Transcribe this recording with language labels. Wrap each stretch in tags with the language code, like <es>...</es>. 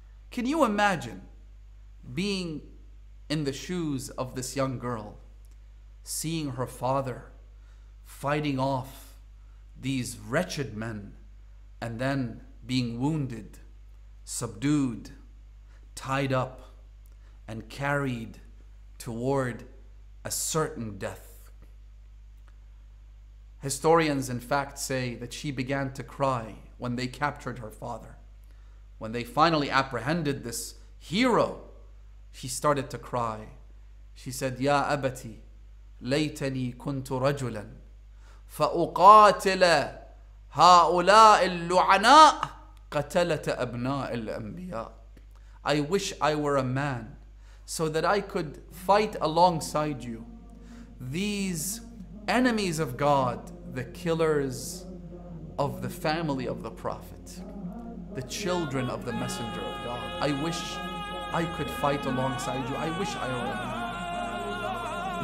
<en>Can you imagine being in the shoes of this young girl, seeing her father fighting off these wretched men, and then being wounded, subdued, tied up, and carried toward a certain death? Historians, in fact, say that she began to cry when they captured her father. When they finally apprehended this hero, she started to cry. She said,</en> <ar>Ya Abati, laytani kuntu rajulan. فأقاتل هؤلاء اللعناء قتلة أبناء الأنبياء.</ar> <en>I wish I were a man, so that I could fight alongside you. These enemies of God, the killers of the family of the Prophet, the children of the Messenger of God. I wish I could fight alongside you. I wish I were a man.</en>